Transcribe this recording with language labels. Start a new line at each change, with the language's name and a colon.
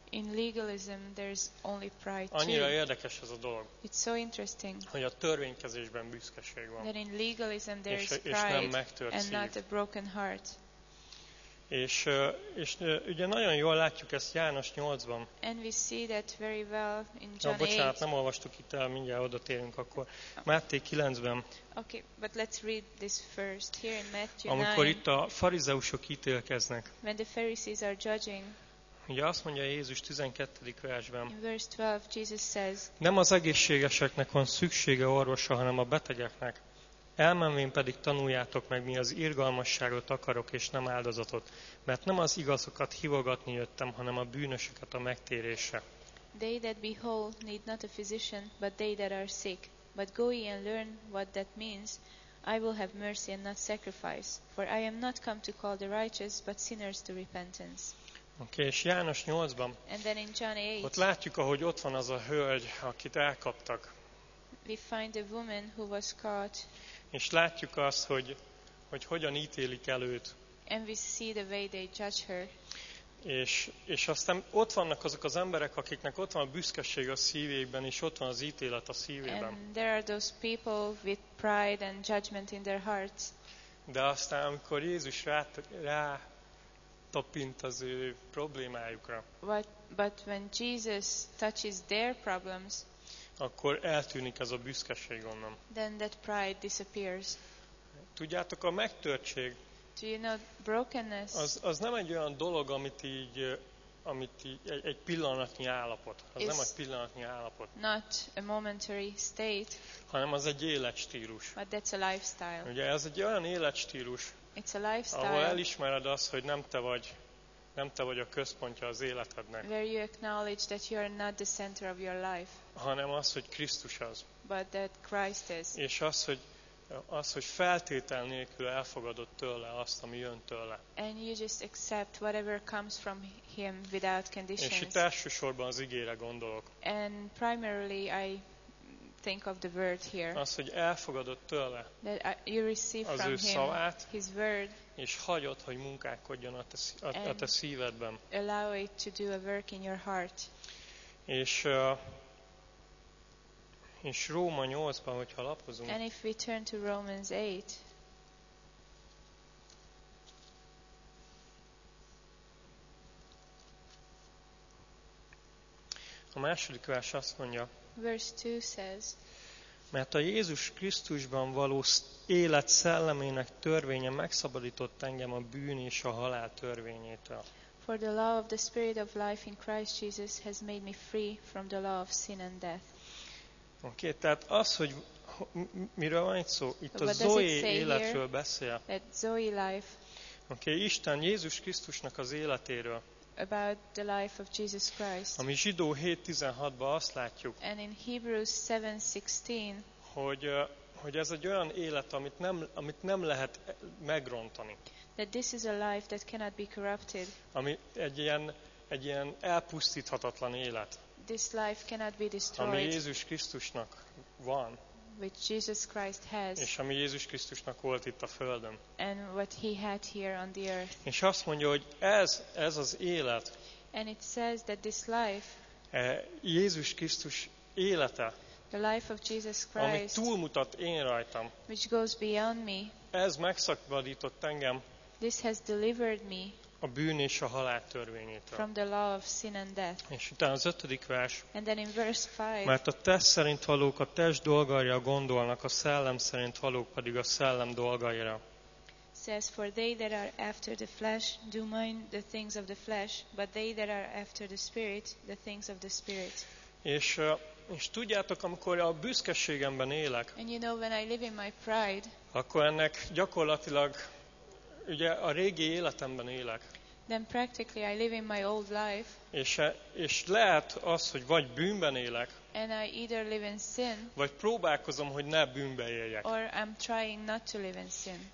English: In legalism there is only pride too.
Hungarian: Annyira érdekes ez a dolog.
English: It's so interesting.
Hungarian: Hogy a törvénykezésben büszkeség van.
English: That in legalism there is pride and not a broken heart. Not a broken heart.
Hungarian: És ugye nagyon jól látjuk ezt János 8-ban.
English: And we see that very well in John 8.
Hungarian: Bocsánat, nem olvastuk itt el, mindjárt oda térünk akkor. Máté 9-ben.
English: Okay, but let's read this first here in Matthew 9.
Hungarian: Amikor itt a farizeusok ítélkeznek.
English: When the Pharisees are judging.
Hungarian: Ugye azt mondja Jézus 12. versben.
English: In verse 12 Jesus says.
Hungarian: Nem az egészségeseknek van szüksége orvosa, hanem a betegeknek. Elmenvén pedig tanuljátok meg, mi az irgalmasságot akarok, és nem áldozatot, mert nem az igazokat hívogatni jöttem, hanem a bűnösöket a megtérésre.
English: They that be whole need not a physician, but they that are sick. But go ye and learn what that means. I will have mercy and not sacrifice, for I am not come to call the righteous, but sinners to repentance.
Hungarian: Okay, és János 8-ban,
English: and then in John 8,
Hungarian: ott látjuk, ahogy ott van az a hölgy, akit elkaptak.
English: We find a woman who was caught.
Hungarian: És látjuk azt, hogy hogy hogyan ítélik el őt.
English: And we see the way they judge her.
Hungarian: És aztán ott vannak azok az emberek, akiknek ott van a büszkeség a szívében, és ott van az ítélet a szívében.
English: And there are those people with pride and judgment in their hearts.
Hungarian: De aztán, amikor Jézus rá tapint az ő problémájukra,
English: but when Jesus touches their problems,
Hungarian: akkor eltűnik ez a büszkeség onnan.
English: Then that pride disappears.
Hungarian: Tudjátok, a megtörtség,
English: do you know, brokenness,
Hungarian: az nem egy olyan dolog, amit egy pillanatnyi állapot. Az nem egy pillanatnyi állapot.
English: Not a momentary state.
Hungarian: Hanem az egy életstílus.
English: But that's a lifestyle.
Hungarian: Ugye ez egy olyan életstílus.
English: It's a lifestyle.
Hungarian: Ahol elismered azt, hogy nem te vagy a központja az életednek.
English: Where you acknowledge that you are not the center of your life.
Hungarian: Hanem az, hogy Krisztus az.
English: But that Christ is.
Hungarian: És az, hogy feltétel nélkül elfogadott tőle azt, ami jön tőle.
English: And you just accept whatever comes from him without conditions.
Hungarian: És itt elsősorban az igére gondolok.
English: And primarily I think of the word here.
Hungarian: Az, hogy elfogadott tőle.
English: That you receive
Hungarian: az
English: from
Hungarian: ő szavát,
English: him his word.
Hungarian: És hagyod, hogy munkálkodjon a te szívedben.
English: Allow it to do a work in your heart.
Hungarian: És Róma 8-ban, hogyha lapozunk.
English: And if we turn to Romans 8.
Hungarian: A második vers azt mondja.
English: Verse 2 says.
Hungarian: Mert a Jézus Krisztusban való élet szellemének törvénye megszabadított engem a bűn és a halál törvényétől.
English: For the law of the spirit of life in Christ Jesus has made me free from the law of sin and death.
Hungarian: Oké, okay, tehát az, hogy miről van itt szó? Itt a Zoé életről beszél.
English: Zoé life.
Hungarian: Oké, okay, Isten Jézus Krisztusnak az életéről.
English: About the life of Jesus Christ.
Hungarian: Ami Zsidó 7:16-ban azt látjuk.
English: And in Hebrews 7:16.
Hungarian: Hogy ez egy olyan élet, amit nem lehet megrontani.
English: That this is a life that cannot be corrupted.
Hungarian: Ami egy ilyen elpusztíthatatlan élet.
English: This life cannot be destroyed.
Hungarian: Ami Jézus Krisztusnak van.
English: Which Jesus Christ has.
Hungarian: És ami Jézus Krisztusnak volt itt a földön.
English: And what he had here on the earth.
Hungarian: És azt mondja, hogy ez az élet.
English: And it says that this life.
Hungarian: Jézus Krisztus élete.
English: The life of Jesus Christ.
Hungarian: Ami túlmutat én rajtam.
English: Which goes beyond me.
Hungarian: Ez megszabadított engem.
English: This has delivered me.
Hungarian: A bűn és a halál törvényétől.
English: From the law of sin and death.
Hungarian: És utána az ötödik vers.
English: And then in verse 5.
Hungarian: Mert a test szerint halók a test dolgaira gondolnak, a szellem szerint halók pedig a szellem dolgaira.
English: Says for they that are after the flesh do mind the things of the flesh, but they that are after the spirit the things of the spirit.
Hungarian: És tudjátok, amikor a büszkeségemben élek.
English: And you know when I live in my pride.
Hungarian: Akkor ennek gyakorlatilag ugye a régi életemben élek.
English: Then practically I live in my old life.
Hungarian: És lehet az, hogy vagy bűnben élek.
English: And I either live in sin.
Hungarian: Vagy próbálkozom, hogy ne bűnben éljek.
English: Or I'm trying not to live in sin.